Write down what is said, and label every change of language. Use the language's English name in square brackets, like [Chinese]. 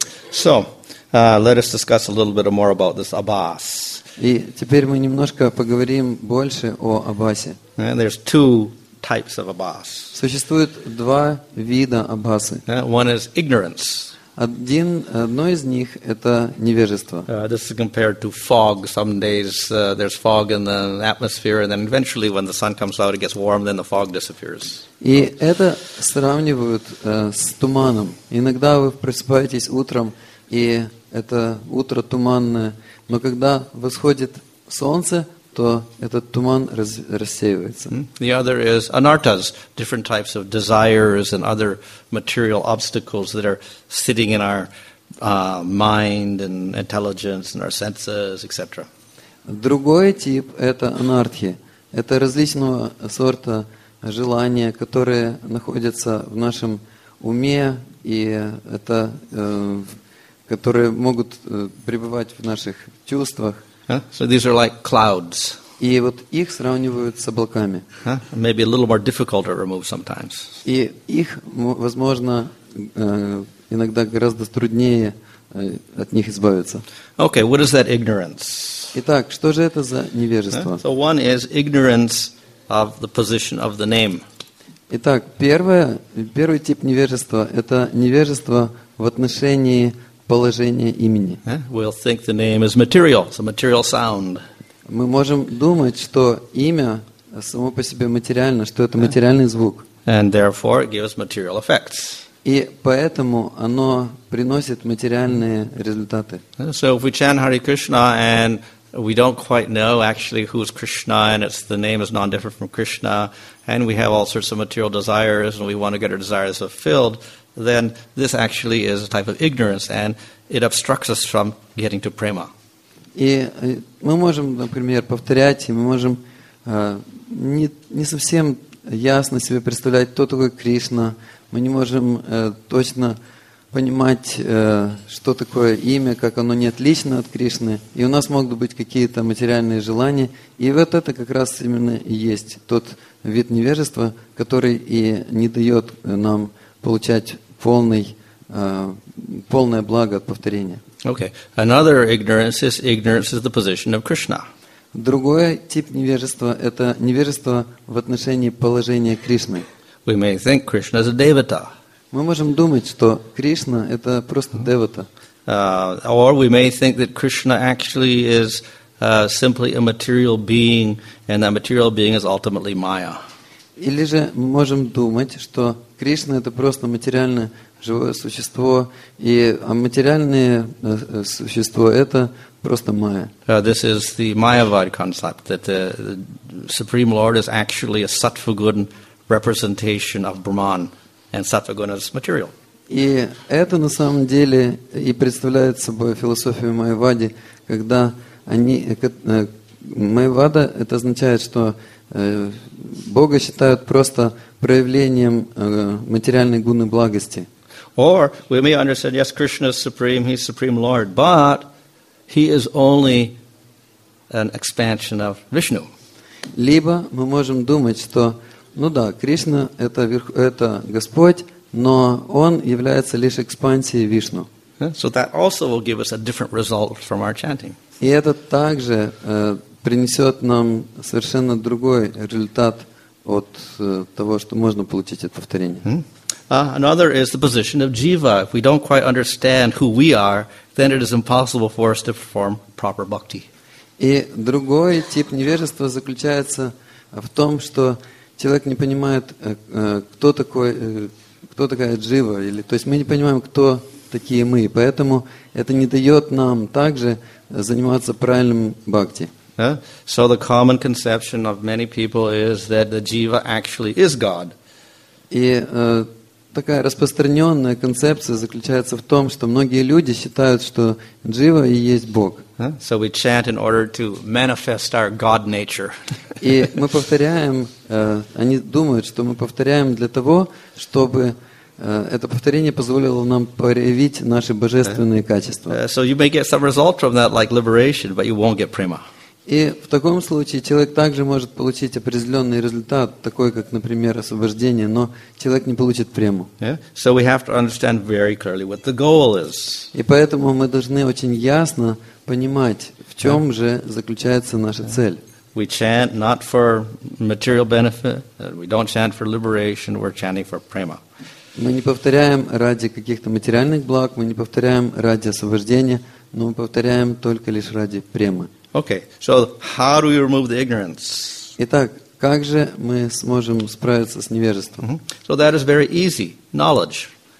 [English] So, let us discuss a little bit more about this abhas. [Russian] И теперь мы немножко поговорим больше о абхасе. [English] And there's two types of abhas. [Russian] Существует два вида абхасы. [English] One is ignorance. [Russian] Одно из них – это невежество. [English] This is compared to fog. Some days there's fog in the atmosphere, and then eventually when the sun comes out, it gets warm, then the fog disappears. [Russian] И это сравнивают с туманом. Иногда вы просыпаетесь утром, и это утро туманное, но когда восходит солнце, то этот туман рассеивается. [English] The other is anartas, different types of desires and other material obstacles that are sitting in our mind and intelligence and our senses, etc. [Russian] Другой тип – это анартхи. Это различного сорта желания, которые находятся в нашем уме, и это которые могут пребывать в наших чувствах. [English] So these are like clouds. [Russian] И вот их сравнивают с облаками. [English] Maybe a little more difficult to remove sometimes. [Russian] И их, возможно, иногда гораздо труднее от них избавиться. [English] Okay, what is that ignorance? [Russian] Итак, что же это за невежество? [English] So one is ignorance of the position of the name. [Russian] Итак, первый тип невежества – это невежество в отношении положение имени. [English] We'll think the name is material, it's a material sound. [Russian] Мы можем думать, что имя само по себе материально, что это материальный звук. [English] And therefore it gives material effects. [Russian] И поэтому оно приносит материальные результаты. [English] So if we chant Hare Krishna and we don't quite know actually who is Krishna and it's the name is non-different from Krishna and we have all sorts of material desires and we want to get our desires fulfilled, then this actually is a type of ignorance and it obstructs us from getting to prema. [Russian] И мы можем, например, повторять, и мы можем не совсем ясно себе представлять, кто такой Кришна. Мы не можем точно понимать, что такое имя, как оно не отлично от Кришны. И у нас могут быть какие-то материальные желания. И вот это как раз именно и есть тот вид невежества, который и не дает нам получать полное благо от повторения. [English] Okay. Another ignorance is the position of Krishna. [Russian] Другой тип невежества – это невежество в отношении положения Кришны. [English] We may think Krishna is a devata. [Russian] Мы можем думать, что Кришна – это просто девата. [English] Or we may think that Krishna actually is simply a material being, and that material being is ultimately Maya. [Russian] Или же мы можем думать, что Кришна – это просто материальное живое существо, и материальное существо – это просто Майя. [English] This is the Mayavad concept, that the Supreme Lord is actually a Sattva-gun representation of Brahman, and Sattva-gun is material. [Russian] И это на самом деле и представляет собой философию Майявады, когда они… Майявада – это означает, что Бога считают просто проявлением материальной гуны благости. [English] Or we may understand, yes, Krishna is supreme, he's supreme Lord, but he is only an expansion of Vishnu. [Russian] Либо мы можем думать, что, ну да, Кришна это Господь, но он является лишь экспансией Вишну. [English] So that also will give us a different result from our chanting. [Russian] И это также принесет нам совершенно другой результат от того, что можно получить от повторения. [English] Another is the position of jiva. If we don't quite understand who we are, then it is impossible for us to perform proper bhakti. [Russian] И другой тип невежества заключается в том, что человек не понимает, кто такая джива, или то есть мы не понимаем, кто такие мы, поэтому это не дает нам также заниматься правильным бхакти. [English] So the common conception of many people is that the jiva actually is God. [Russian] И такая распространенная концепция заключается в том, что многие люди считают, что джива и есть Бог. [English] So we chant in order to manifest our God nature. [Russian] И мы повторяем, они думают, что мы повторяем для того, чтобы это повторение позволило нам проявить наши божественные качества. [English] So you may get some result from that, like liberation, but you won't get prema. [Russian] И в таком случае человек также может получить определенный результат, такой как, например, освобождение, но человек не получит прему. Yeah. [English] So we have to understand very clearly what the goal is. [Russian] И поэтому мы должны очень ясно понимать, в чем же заключается наша цель. [English] We chant not for material benefit, we don't chant for liberation, we're chanting for prema. [Russian] Мы не повторяем ради каких-то материальных благ, мы не повторяем ради освобождения, но мы повторяем только лишь ради премы. [English] Okay, so how do we remove the ignorance? [Russian] Итак, как же мы сможем справиться с невежеством? Mm-hmm. [English] So that is very easy. Knowledge.